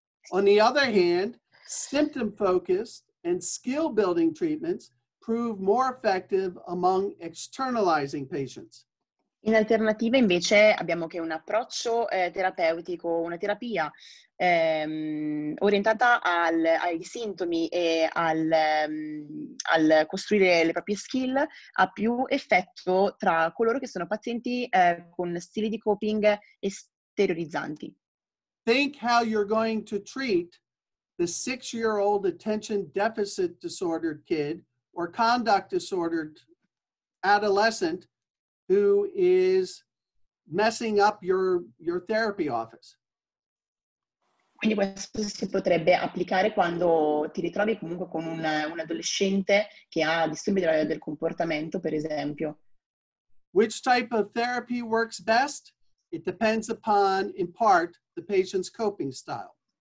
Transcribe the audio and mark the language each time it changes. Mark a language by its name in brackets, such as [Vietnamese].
[English] On the other hand, symptom-focused and skill-building treatments prove more effective among externalizing patients. [Italian] In alternativa, invece, abbiamo che un approccio terapeutico, una terapia orientata ai sintomi e al costruire le proprie skill ha più effetto tra coloro che sono pazienti con stili di coping esteriorizzanti. [English] Think how you're going to treat the 6-year-old attention deficit disordered kid or conduct disordered adolescent who is messing up your therapy office. [Italian] Quindi questo si potrebbe applicare quando ti ritrovi comunque con un adolescente che ha disturbi del comportamento, per esempio. [English] Which type of therapy works best? It depends upon, in part, the patient's coping style.